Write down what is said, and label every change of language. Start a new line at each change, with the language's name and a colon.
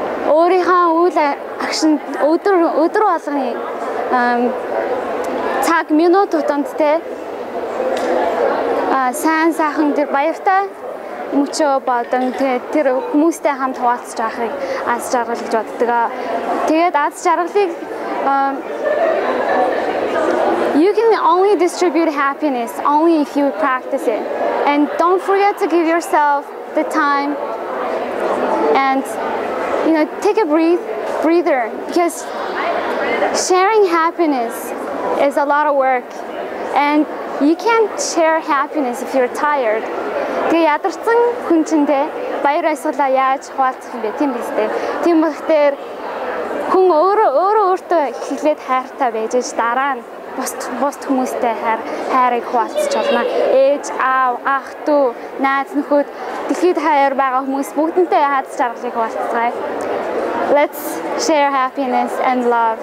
Mongolian: Өөрийнхөө үйл агшин өдөр болгон цаг минут тутамд те сайн сайхан тэр баяртай мөчөө бодон тэр хүмүүстэй хамт хуваалцаж байхыг аз жаргал гэж боддог. Тэгээд аз жаргалыг
English: you can only distribute happiness only if you practice it. And don't forget to give yourself the time and you know take a breather because sharing happiness is a lot of work and you can't share happiness if you're tired.
Mongolian: Тэгээ ядарсан хүн ч дээ баяр баясгалаа яаж хуваалцах юм бэ? Тийм биз дээ. Тийм болохоор хүн өөрөө өөртөө эхлээд хайртай байж гэж дараа нь бусд хүмүүстэй хайрыг хуваалцах болно. Ээж, аав, ах, дүү, найз нөхөд, дэлхийд хайр байгаа хүмүүс бүгдэнтэй хаз жаргалыг хуваалцгаая.
English: Let's share happiness and love.